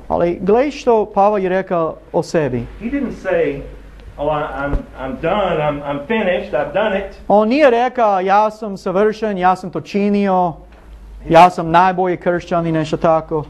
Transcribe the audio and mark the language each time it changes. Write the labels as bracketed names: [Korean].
[Croatian] Ali gledaj što Pavel je rekao o sebi. [English] He didn't say, oh, I'm done, I'm finished, I've done it. [Croatian] On nije rekao, ja sam savršen, ja sam to činio, ja sam najbolji kršćan i nešto tako.